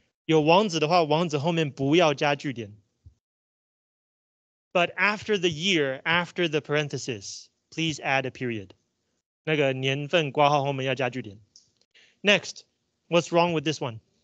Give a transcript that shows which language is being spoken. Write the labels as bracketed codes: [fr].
[zh] 有王子的话, 王子后面不要加句点. [en] But after the year, after the parenthesis, please add a period. [zh] 那个年份括号后面要加句点. [en] Next, what's wrong with this one?